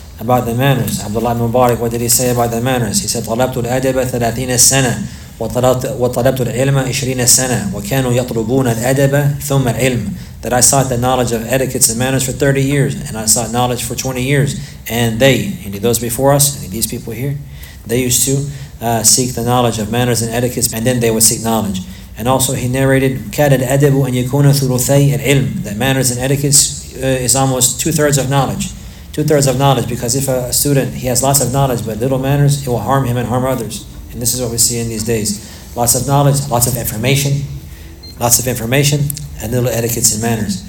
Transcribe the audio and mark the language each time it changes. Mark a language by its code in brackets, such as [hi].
[en] Abdullah ibn Mubarak, what did he say about the manners? He said, [ar] طَلَبْتُ الْأَدَبَ 30 سَنَةً وَطَلَبْتُ الْعِلْمَ 20 سَنَةً وَكَانُوا يَطْلُبُونَ الْأَدَبَ ثُمَّ الْعِلْمَ. [en] That I sought the knowledge of etiquettes and manners for 30 years, and I sought knowledge for 20 years, and they, any those before us, any these people here, they used to seek the knowledge of manners and etiquettes, and then they would seek knowledge. And also he narrated, [ar] كَادَ الْأَدَبُ أَنْ يَكُونَ ثُلُثَيْ الْعِلْمِ. [en] That manners and etiquettes is almost two-thirds of knowledge, because if a student, he has lots of knowledge, but little manners, it will harm him and harm others. And this is what we see in these days. Lots of knowledge, lots of information, and little etiquettes and manners.